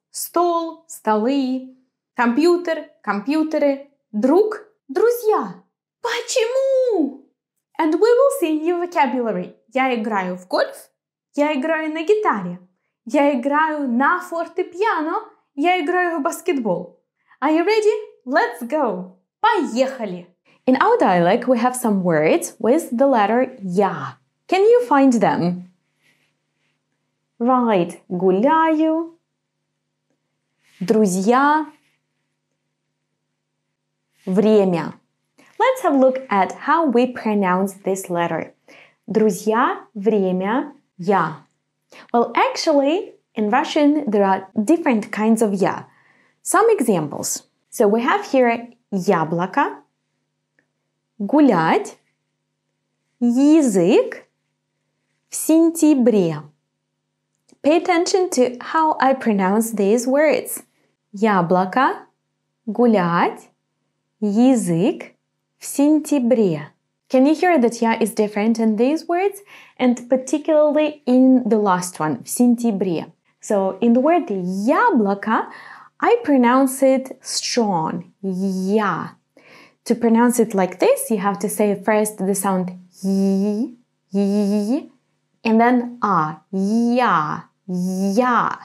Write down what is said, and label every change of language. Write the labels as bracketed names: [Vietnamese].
[Russian] Стол, столы, компьютер, компьютеры, друг, друзья. Почему? [English] And we will see new vocabulary. [Russian] Я играю в гольф, я играю на гитаре, я играю на фортепиано, я играю в баскетбол. [English] Are you ready? Let's go! [Russian] Поехали! [English] In our dialect, we have some words with the letter я. Can you find them? Right, [Russian] гуляю. Друзья, время. [English] Let's have a look at how we pronounce this letter. [Russian] Друзья, время, я. [English] Well, actually, in Russian, there are different kinds of я. Some examples. So we have here яблоко, [Russian] гулять, язык, в сентябре. [English] Pay attention to how I pronounce these words. [Russian] Яблоко, гулять, язык, в сентябре. [English] Can you hear that я is different in these words? And particularly in the last one, в сентябре. So, in the word яблоко, I pronounce it strong, я. To pronounce it like this, you have to say first the sound й, and then а, я, я.